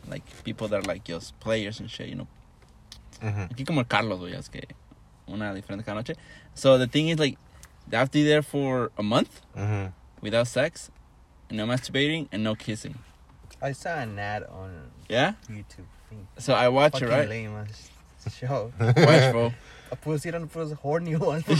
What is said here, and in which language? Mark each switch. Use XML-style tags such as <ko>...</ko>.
<en>Like, people that are like just players and shit, you know. Uh-huh.</en> <es>Aquí como el Carlos, güey. Es que una diferente cada noche.</es> <en>So, the thing is, like, they have to be there for a month. Uh-huh. Without sex. No masturbating and no kissing. I saw an ad on yeah? YouTube. So, I watch it, right? Fucking lame ass show. Watch, bro.</en> <es>Pusieron puros</es> <en>horny ones.</en>